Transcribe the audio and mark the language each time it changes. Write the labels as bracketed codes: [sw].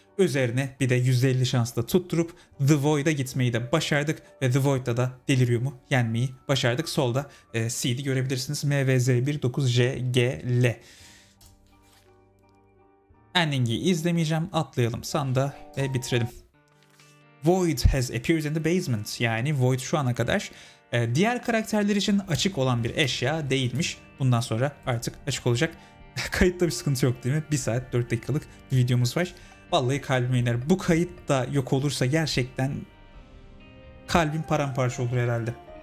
[tr] Üzerine bir de 150 şansla tutturup The Void'a gitmeyi de başardık. Ve The Void'da da Delirium'u yenmeyi başardık. Solda Seed'i görebilirsiniz. MVZ19JGL. Ending'i izlemeyeceğim. Atlayalım sanda ve bitirelim. [en] Void has appeared in the basement. [tr] Yani Void şu ana kadar diğer karakterler için açık olan bir eşya değilmiş. Bundan sonra artık açık olacak. Kayıtta bir sıkıntı yok değil mi? 1 saat 4 dakikalık bir videomuz var. Vallahi kalbime iner. Bu kayıt da yok olursa gerçekten kalbim paramparça olur herhalde.